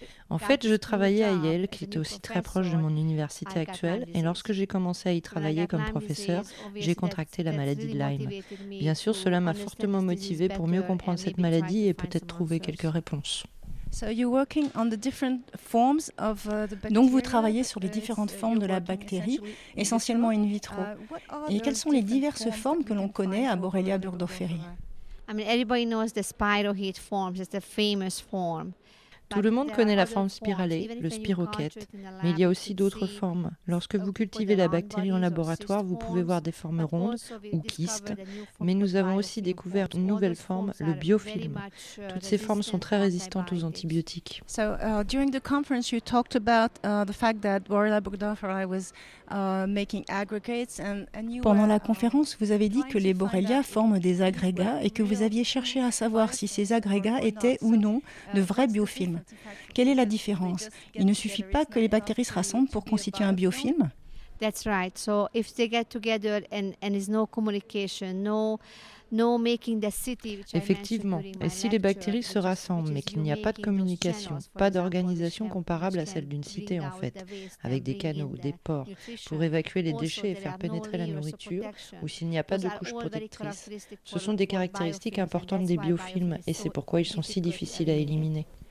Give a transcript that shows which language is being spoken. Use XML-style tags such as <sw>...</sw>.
<fr>En fait, je travaillais à Yale, qui était aussi très proche de mon université actuelle, et lorsque j'ai commencé à y travailler comme professeur, j'ai contracté la maladie de Lyme. Bien sûr, cela m'a fortement motivée pour mieux comprendre cette maladie et peut-être trouver quelques réponses.</fr> <en>So you're working on the different forms of the bacteria.</en> <fr>Donc vous travaillez sur les différentes formes de la bactérie, essentiellement in vitro. Et quelles sont les diverses formes que l'on connaît à Borrelia burgdorferi?</fr> <en>I mean, everybody knows the spirochete forms. It's the famous form.</en> <fr>Tout le monde connaît la forme spiralée, le spirochète, mais il y a aussi d'autres formes. Lorsque vous cultivez la bactérie en laboratoire, vous pouvez voir des formes rondes ou kystes, mais nous avons aussi découvert une nouvelle forme, le biofilm. Toutes ces formes sont très résistantes aux antibiotiques.</fr> <en>So, during the conference, you talked about the fact that Borrelia burgdorferi was making aggregates and you.</en> <fr>Pendant la conférence, vous avez dit que les Borrelia forment des agrégats et que vous aviez cherché à savoir si ces agrégats étaient ou non de vrais biofilms. Quelle est la différence? Il ne suffit pas que les bactéries se rassemblent pour constituer un biofilm?</fr> <en>That's right. So if they get together and is no communication, no making the city.</en> <fr>Effectivement. Et si les bactéries se rassemblent, mais qu'il n'y a pas de communication, pas d'organisation comparable à celle d'une cité en fait, avec des canaux, des ports pour évacuer les déchets et faire pénétrer la nourriture, ou s'il n'y a pas de couche protectrice, ce sont des caractéristiques importantes des biofilms et c'est pourquoi ils sont si difficiles à éliminer.</fr>